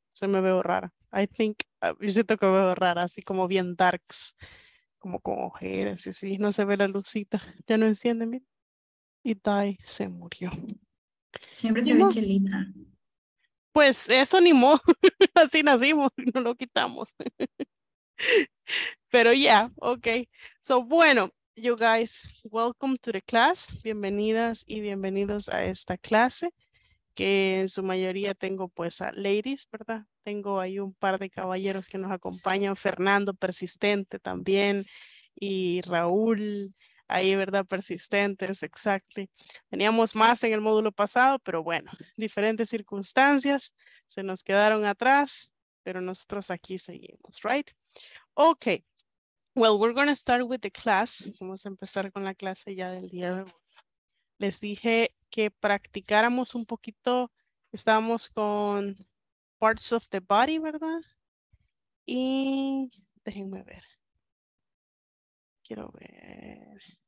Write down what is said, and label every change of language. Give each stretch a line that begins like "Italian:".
Spanish: Se me veo rara.
English: I think,
Spanish: yo siento que me veo rara, así como bien darks. Como con ojeras y así. No se ve la lucita. Ya no enciende bien. Y Tai se murió. Siempre se ve chelina. Pues eso ni modo, así nacimos, no lo quitamos. Pero ya, yeah, ok.
English: So, bueno, you guys, welcome to the class.
Spanish: Bienvenidas y bienvenidos a esta clase, que en su mayoría tengo pues a ladies, ¿verdad? Tengo ahí un par de caballeros que nos acompañan, Fernando persistente también, y Raúl. Ahí, ¿verdad? Persistentes, exactly. Teníamos más en el módulo pasado, pero bueno, diferentes circunstancias se nos quedaron atrás, pero nosotros aquí seguimos, right?
English: Okay, well, we're going to start with the class.
Spanish: Vamos a empezar con la clase ya del día de hoy. Les dije que practicáramos un poquito. Estábamos con
English: parts of the body,
Spanish: ¿verdad? Y déjenme ver. Quiero ver.